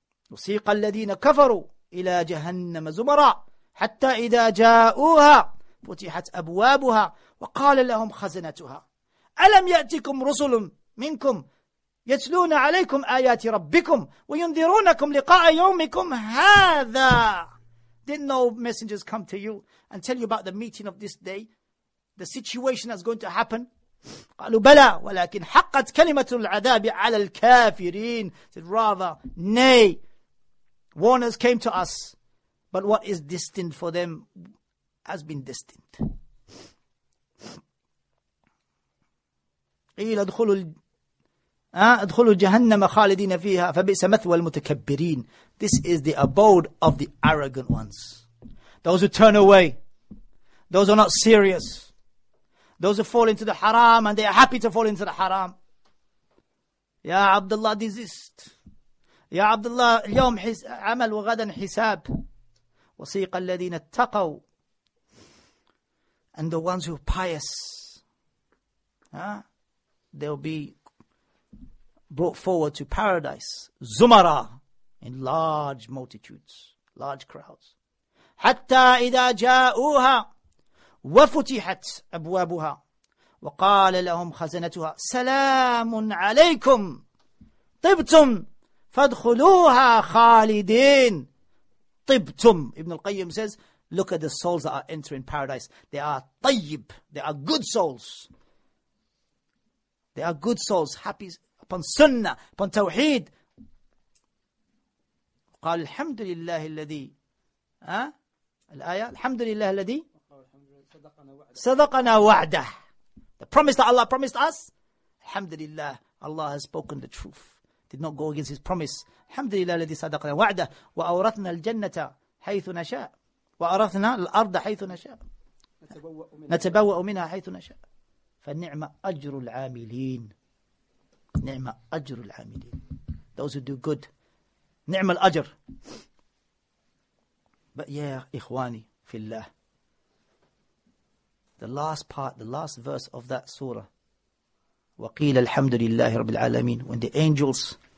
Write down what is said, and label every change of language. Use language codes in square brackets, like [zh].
[ar] وَسِيقَ الَّذِينَ كَفَرُوا إِلَى جَهَنَّمَ زُمَرًا حَتَّى إِذَا جَاءُوهَا فُتِحَتْ أَبْوَابُهَا وَقَالَ لَهُمْ خَزَنَتُهَا أَلَمْ يَأْتِكُمْ رُسُلٌ مِّنْكُمْ يَتْلُونَ عَلَيْكُمْ آيَاتِ رَبِّكُمْ وَيُنذِرُونَكُمْ لِقَاءَ يَوْمِكُمْ هَذَا. [en] Didn't no messengers come to you and tell you about the meeting of this day, the situation that's going to happen? [ar] قالوا بلى ولكن حقت كلمة العذاب على الكافرين. [en] Said rather, nay, warners came to us, but what is destined for them has been destined. [ar] قيل ادخلوا جهنم خالدين فيها فبئس مثوى المتكبرين. [en] This is the abode of the arrogant ones, those who turn away, those who are not serious, those who fall into the haram, and they are happy to fall into the haram. Ya Abdullah, desist. [ar] Ya Abdullah, اليوم عمل وغدا حساب. وصيق الذين اتقوا. [en] And the ones who are pious, they'll be brought forward to paradise. Zumara, in large multitudes, large crowds. [ar] حتى إذا جاءوها وفتحت أبوابها وقال لهم خزنتها سلام عليكم طبتم فادخلوها خالدين. [en] طبتم, Ibn al-Qayyim says, look at the souls that are entering paradise. They are طيب, they are good souls. They are good souls, happy upon sunnah, upon tawheed. [ar] قال الحمد لله الذي الآية الحمد لله الذي صدقنا وعده. [en] The promise that Allah promised us, alhamdulillah, Allah has spoken the truth. Did not go against His promise. [ar] Alhamdulillah, الذي صدقنا وعده وأورثنا الجنة حيث نشاء وأورثنا الأرض حيث نشاء نتبوأ منها حيث نشاء فنعم أجر العاملين. نعم أجر العاملين. [en] Those who do good, [ar] نعم الأجر. [en] But yeah, [ar] إخواني في الله, [en] the last part, the last verse of that surah, [ar] وَقِيلَ الْحَمْدُ لِلَّهِ رَبِّ الْعَالَمِينَ, [en] when the angels,